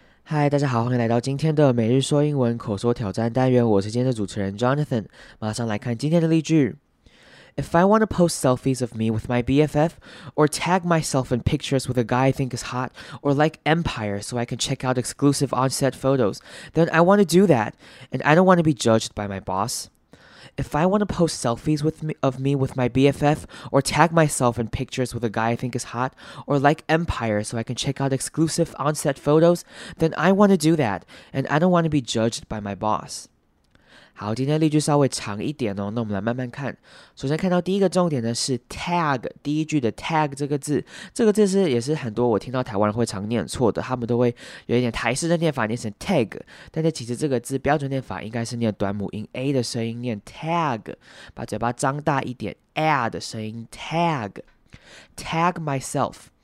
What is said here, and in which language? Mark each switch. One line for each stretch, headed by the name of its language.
Chinese: 嗨，大家好，欢迎来到今天的每日说英文口说挑战单元。我是今天的主持人 Jonathan。马上来看今天的例句。
English: If I want to post selfies of me with my BFF, or tag myself in pictures with a guy I think is hot, or like Empire so I can check out exclusive on-set photos, then I want to do that, and I don't want to be judged by my boss. If I want to post selfies with my BFF, or tag myself in pictures with a guy I think is hot, or like Empire so I can check out exclusive on-set photos, then I want to do that, and I don't want to be judged by my boss.
Chinese: 好，今天例句稍微长一点哦，那我们来慢慢看。首先看到第一个重点呢是 tag，第一句的 tag 这个字，这个字是也是很多我听到台湾人会常念错的，他们都会有一点台式的念法念成 tag，但是其实这个字标准念法应该是念短母音 a 的声音，念 tag，把嘴巴张大一点 a 的声音
English: tag myself。